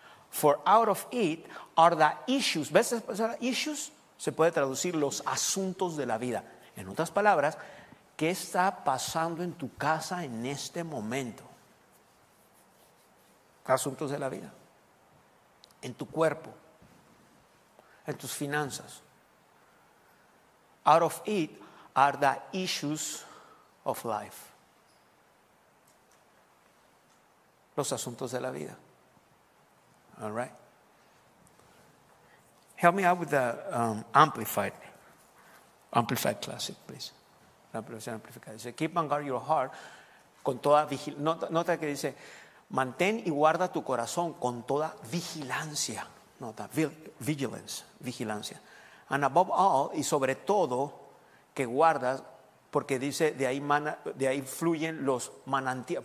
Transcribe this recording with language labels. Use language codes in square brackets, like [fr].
[en] For out of it are the issues. [es] ¿Ves esa palabra? Issues se puede traducir los asuntos de la vida. En otras palabras, ¿qué está pasando en tu casa en este momento? Asuntos de la vida. En tu cuerpo. En tus finanzas. [en] Out of it are the issues of life. [es] Los asuntos de la vida. [en] All right. Help me out with the Amplified Classic, please. [es] la versión amplificada. Dice, [en] keep and guard your heart [es] con toda vigilancia. Nota que dice, mantén y guarda tu corazón con toda vigilancia. Nota, vigilance, vigilancia. [en] And above all, [es] y sobre todo, que guardas, porque dice, de ahí fluyen los manantiales.